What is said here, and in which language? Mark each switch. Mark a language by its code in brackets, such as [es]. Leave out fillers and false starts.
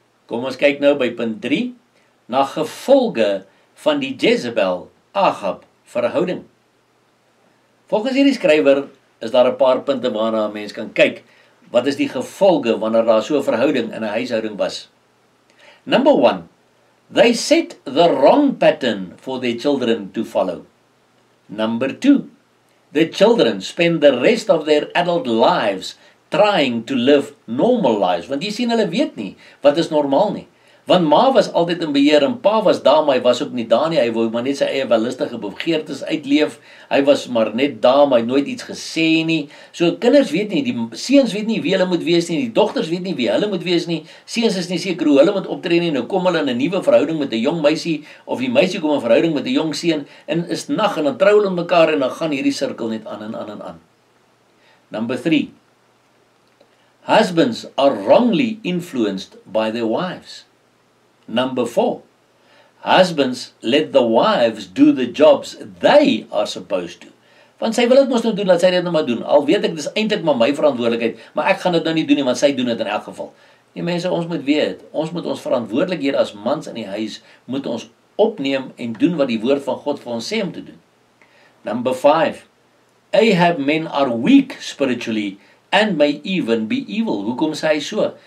[af] Kom ons kyk nou by punt 3, na gevolge van die Jezebel-Ahab verhouding. Volgens hierdie skrywer, is daar 'n paar punte waarna 'n mens kan kyk, wat is die gevolge wanneer daar so 'n verhouding in 'n huishouding was. [en] Number 1, they set the wrong pattern for their children to follow. Number 2, the children spend the rest of their adult lives trying to live normal lives, [af] want jy sien hulle weet nie, wat is normaal nie. Want ma was altyd in beheer en pa was daar, maar hy was ook nie daar nie, hy wou maar net sy eie wellustige begeertes uitleef, hy was maar net daar, maar hy nooit iets gesê nie. So kinders weet nie, die seuns weet nie wie hulle moet wees nie, die dogters weet nie wie hulle moet wees nie, seuns is nie seker hoe hulle moet optree nie, nou kom hulle in 'n nuwe verhouding met 'n jong meisie, of die meisie kom in 'n verhouding met 'n jong seun, en is nag en dan trou hulle mekaar en dan gaan hierdie sirkel net aan en aan en aan. [en] Number 3, husbands are wrongly influenced by their wives. Number 4, husbands let the wives do the jobs they are supposed to. [af] Want sy wil dit mos nou doen, laat sy dit nou maar doen. Al weet ek, dis eintlik maar my verantwoordelikheid, maar ek gaan dit nou nie doen nie, want sy doen dit in elk geval. Nee mense, ons moet weet, ons moet ons verantwoordelikheid as mans in die huis, moet ons opneem en doen wat die woord van God vir ons sê om te doen. [en] Number 5, Ahab men are weak spiritually and may even be evil. [af] Hoekom sê hy so?